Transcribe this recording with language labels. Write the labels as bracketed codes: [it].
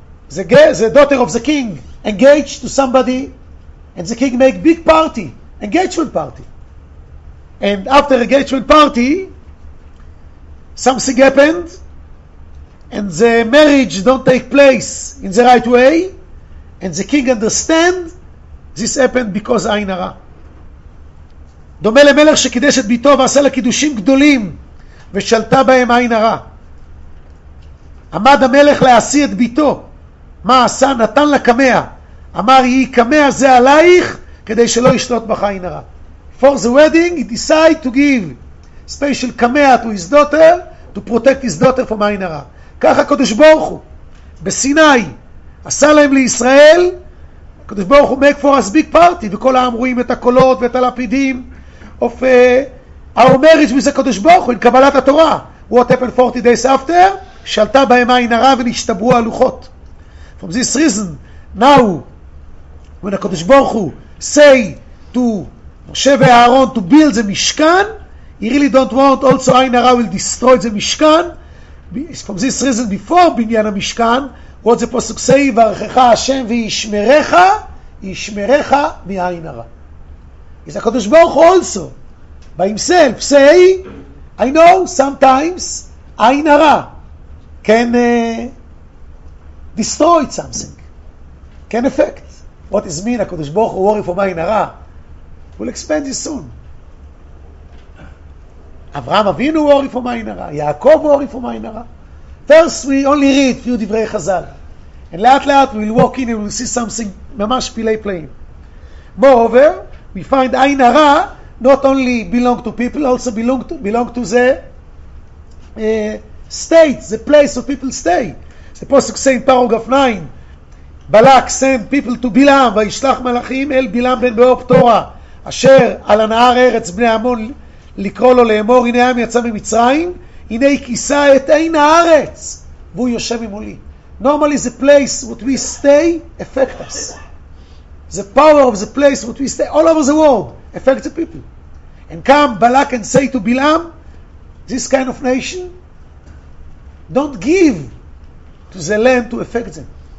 [en] The daughter of the king engaged to somebody and the king make big party, engagement party. And after engagement party, something happened. And the marriage don't take place in the right way, and the king understand this happened because Ayin Hara. [he] דומה למלך שקידש את ביתו ועשה לה קידושים גדולים ושלטה בהם Ayin Hara. עמד המלך להשיא את ביתו. מה עשה? נתן לה קמיה. אמר, יהי קמיה זה עלייך כדי שלא ישלוט בך Ayin Hara. [en] For the wedding he decided to give special קמיה to his daughter to protect his daughter from Ayin Hara. [he] ככה הקדוש ברוך הוא, בסיני, עשה להם לישראל, הקדוש ברוך הוא [en] make for us big party, [he] וכל העם רואים את הקולות ואת הלפידים, [en] of our marriage with the [he] קדוש ברוך הוא, עם קבלת התורה. [en] What happened 40 days after? [he] שלטה בהם עין הרע ונשתברו הלוחות. [en] From this reason, now, when the קדוש ברוך הוא say to משה ואהרון to build the משכן, he really don't want also עין הרע will destroy the משכן, from this reason before בניין המשכן, what the פסוק say, [he] וערכך השם וישמרך, ישמרך מעין הרע. [en] It's a Kodosh Baruch also, by himself, say, I know sometimes, עין הרע, can destroy something, can affect. What is mean, a Kodosh Baruch Hu worry for עין הרע? We'll expand this soon. [he] אברהם אבינו הוא עורף ומאין הרע, יעקב הוא עורף ומאין הרע. [en] First we only read few דברי חזל. And לאט לאט we will walk in and we will see something [he] ממש פילי פלאים. [en] Moreover, we find עין הרע not only belong to people, also belong to the state, the place of people stay. The פסוק say in paragraph 9, בלק send people to בלעם, [he] וישלח מלאכים אל בלעם בן באור פתורה, אשר על הנהר ארץ בני עמון, לקרוא לו לאמור, הנה עם יצא ממצרים, הנה היא כיסה את עין הארץ, והוא יושב ממולי. [en] Normally the place what we stay affect us. The power of the place what we stay all over the world affect the people. And come Balak and say to Bilam, this kind of nation, don't give to the land to affect them.